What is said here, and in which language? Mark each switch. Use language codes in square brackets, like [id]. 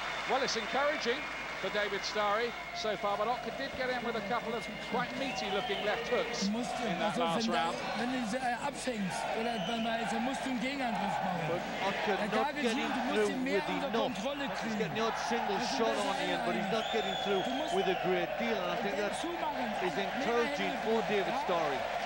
[en] Well, it's encouraging for David Starie so far, but Ottke did get in with a couple of quite meaty-looking left hooks in that last round. [de] Wenn er abfängt, wenn er jetzt, er muss den Gegenangriff machen. Er kann nicht mehr unter Kontrolle kriegen. [en] He's getting the odd single shot on Ian, but he's not getting through with a great deal. And I think that is encouraging for David Starie.